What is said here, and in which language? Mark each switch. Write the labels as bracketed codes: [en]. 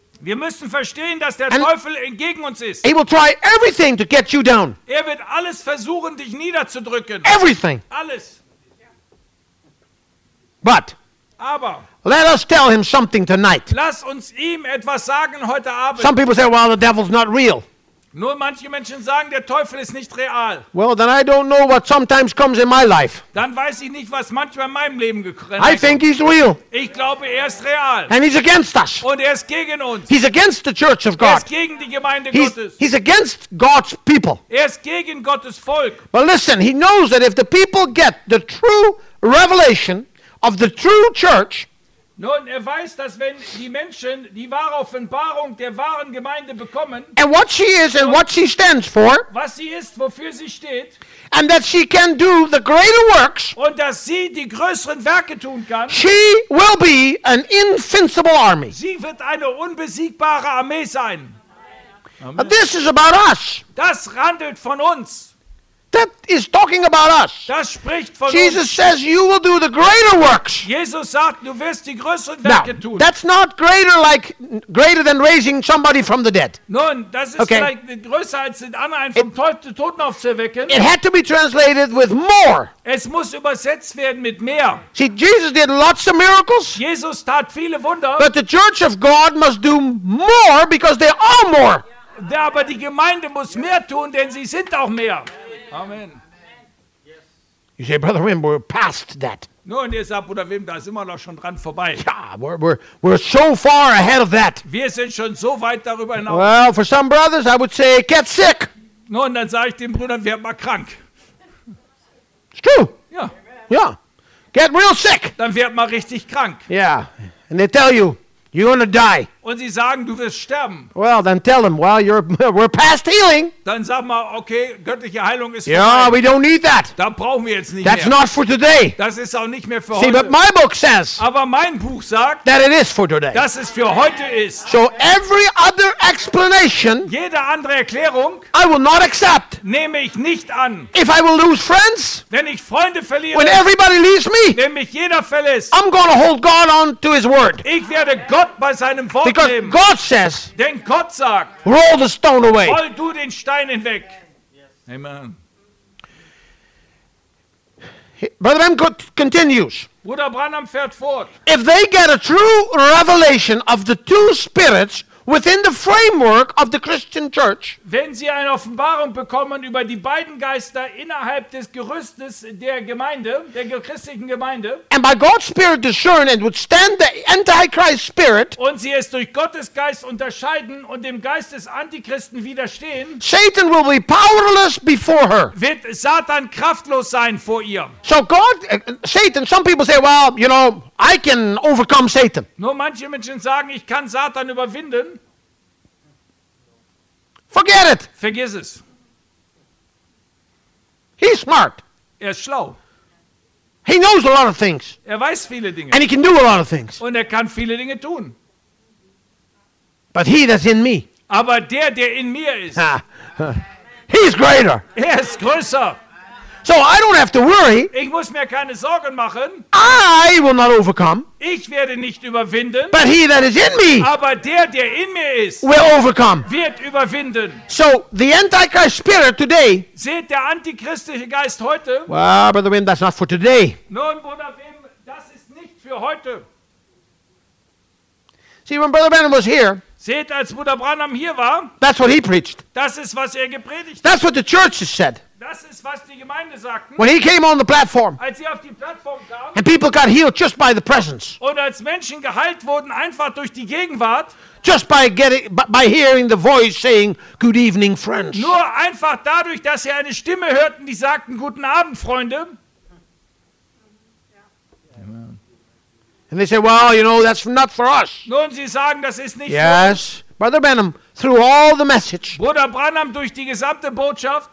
[de] Wir müssen verstehen, dass der Teufel gegen uns ist. [en] He will try everything to get you down. [de] Er wird alles versuchen, dich niederzudrücken. [en] Everything. [de] Alles. [en] But [de] aber [en] let us tell him something tonight. [de] Lass uns ihm etwas sagen heute Abend. [en] Some people say, well, the devil's not real. [de] Nur manche Menschen sagen, der Teufel ist nicht real. [en] Well, then I don't know what sometimes comes in my life. [de] Dann weiß ich nicht, was manchmal in meinem Leben gekommen. [en] I think he's real. [de] Ich glaube, er ist real. [en] And he's against us. [de] Und er ist gegen uns. [en] He's against the church of God. [de] Er ist gegen die Gemeinde Gottes. [en] He's against God's people. [de] Er ist gegen Gottes Volk. [en] But listen, he knows that if the people get the true revelation of the true church. [de] Nun, er weiß, dass wenn die Menschen die wahre Offenbarung der wahren Gemeinde bekommen, [en] and what she is and what she stands for, [de] was sie ist, wofür sie steht, [en] and that she can do the greater works, [de] und dass sie die größeren Werke tun kann, [en] she will be an invincible army. [de] Sie wird eine unbesiegbare Armee sein. [en] Amen. This is about us. [de] Das handelt von uns. [en] That is talking about us. [de] Das spricht von Jesus uns. [en] Says you will do the greater works. [de] Jesus sagt, du wirst die größeren Werke tun. [en] That's not greater like greater than raising somebody from the dead. [de] Nun, das ist okay. Vielleicht größer als den anderen vom Toten aufzuwecken. [en] It had to be translated with more. [de] Es muss übersetzt werden mit mehr. [en] See, Jesus did lots of miracles. [de] Jesus tat viele Wunder. [en] But the church of God must do more because they are more. [de] Ja, aber die Gemeinde muss mehr tun, denn sie sind auch mehr. [en] Amen. You say, Brother Wim, we're past that. [de] Nun, ihr sagt, Bruder Wim, da sind wir noch schon dran vorbei. [en] Ja, we're so far ahead of that. [de] Wir sind schon so weit darüber hinaus. [en] Well, for some brothers, I would say, get sick. [de] Nun, dann sage ich dem Bruder, werd mal krank. [en] It's true. [de] Ja. [en] Ja. Get real sick. [de] Dann werd mal richtig krank. [en] Yeah. And they tell you, you're going to die. [de] Und sie sagen, du wirst sterben. [en] Well, then tell them, well, we're past healing. [de] Dann sag mal, okay, göttliche Heilung ist vorbei. [en] Yeah, we don't need that. [de] Dann brauchen wir jetzt nicht [en] That's [de] mehr. [en] Not for today. [de] Das ist auch nicht mehr für [en] See, But my book says, [de] aber mein Buch sagt, [en] that it is for today. [de] Dass es für heute ist. [en] So every other explanation, [de] jede andere Erklärung, [en] I will not accept. [de] Nehme ich nicht an. [en] If I will lose friends, [de] wenn ich Freunde verliere, [en] when everybody leaves me, [de] wenn mich jeder verlässt, [en] I'm going to hold God on to his word. [de] Ich werde Gott bei seinem Wort [en] Because God says, [de] denn Gott sagt, [en] roll the stone away. [de] Roll du den Stein hinweg. [en] Yes. Amen. Brother Branham continues. [de] Bruder Branham fährt fort. [en] If they get a true revelation of the two spirits within the framework of the Christian church, [de] wenn sie eine Offenbarung bekommen über die beiden Geister innerhalb des Gerüstes der Gemeinde, der christlichen Gemeinde, [en] and by God's Spirit discern and withstand the Antichrist spirit, [de] und sie es durch Gottes Geist unterscheiden und dem Geist des Antichristen widerstehen, [en] Satan will be powerless before her. [de] Wird Satan kraftlos sein vor ihr. [en] So God, Satan, some people say, well, you know, I can overcome Satan. [de] Nur manche Menschen sagen, ich kann Satan überwinden. [en] Forget it. [de] Vergiss es. [en] He's smart. [de] Er ist schlau. [en] He knows a lot of things. [de] Er weiß viele Dinge. [en] And he can do a lot of things. [de] Und er kann viele Dinge tun. [en] But he that's in me. [de] Aber der in mir ist. [en] He's greater. [de] Er ist größer. [en] So I don't have to worry. [de] Ich muss mir keine Sorgen machen. [en] I will not overcome. [de] Ich werde nicht überwinden. [en] But he that is in me. [de] Aber der in mir ist. [en] Will overcome. [de] Wird überwinden. [en] So the Antichrist spirit today. [de] Seht der antichristliche Geist heute. [en] Well, Brother Wim, that's not for today. [de] Nun, Bruder Wim, das ist nicht für heute. [en] See, when Brother Branham was here. [de] Seht, als Bruder Branham hier war. [en] That's what he preached. [de] Das ist, was er gepredigt [en] that's That's what the church has said. [de] Das ist, was die Gemeinde sagten, [en] when he came on the platform, [de] als sie auf die Plattform kamen, [en] and people got healed just by the presence, [de] und als Menschen geheilt wurden einfach durch die Gegenwart, [en] just by hearing the voice saying good evening friends, [de] nur einfach dadurch, dass sie eine Stimme hörten, die sagten guten Abend Freunde. [en] Amen. And they say, well, you know, that's not for us. [de] Nun, sie sagen, das ist nicht [en] yes. [de] für uns. [en] Brother Branham, through all the message, [de] Bruder Branham durch die gesamte Botschaft,